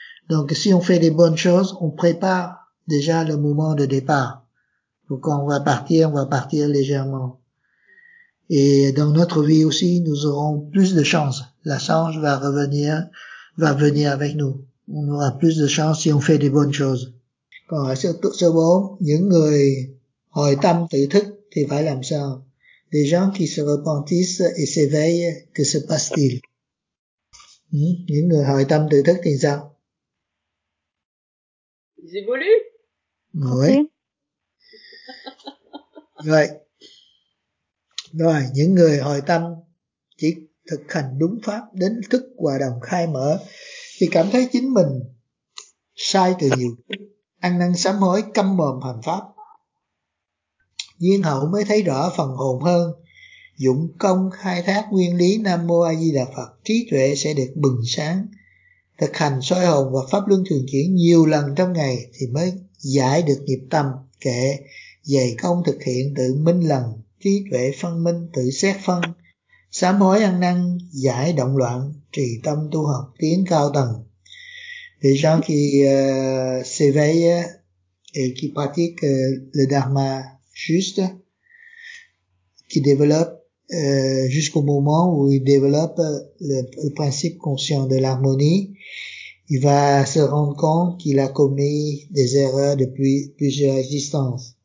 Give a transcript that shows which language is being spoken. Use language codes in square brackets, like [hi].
[fr] Donc, si on fait les bonnes choses, on prépare déjà le moment de départ. Donc, quand on va partir légèrement. Et dans notre vie aussi, nous aurons plus de chance. La chance va revenir, va venir avec nous. On aura plus de chance si on fait des bonnes choses. [vi] Còn ở số 4, những người hồi tâm tự thức thì phải làm sao? [fr] Les gens qui se repentissent et s'éveillent, que se passe-t-il? [vi] Những người hồi tâm tự thức thì sao? [fr] Ils évoluent? Oui. [vi] Rồi. Rồi, những người hồi tâm chỉ thực hành đúng pháp đến thức hòa đồng khai mở thì cảm thấy chính mình sai từ nhiều, ăn năn sám hối, câm mồm hành pháp. Duyên hậu mới thấy rõ phần hồn hơn, dụng công khai thác nguyên lý Nam Mô A Di Đà Phật, trí tuệ sẽ được bừng sáng. Thực hành soi hồn và pháp luân thường chuyển nhiều lần trong ngày thì mới giải được nghiệp tâm, kệ dày công thực hiện tự minh lần, trí tuệ phân minh tự xét phân, sám hối ăn năn giải động loạn, trì tâm tu học tiến cao tầng. [fr] Les gens qui s'éveillent et qui pratiquent le dharma juste, qui développent jusqu'au moment où ils développent le principe conscient de l'harmonie, ils vont se rendre compte qu'il a commis des erreurs depuis plusieurs existences.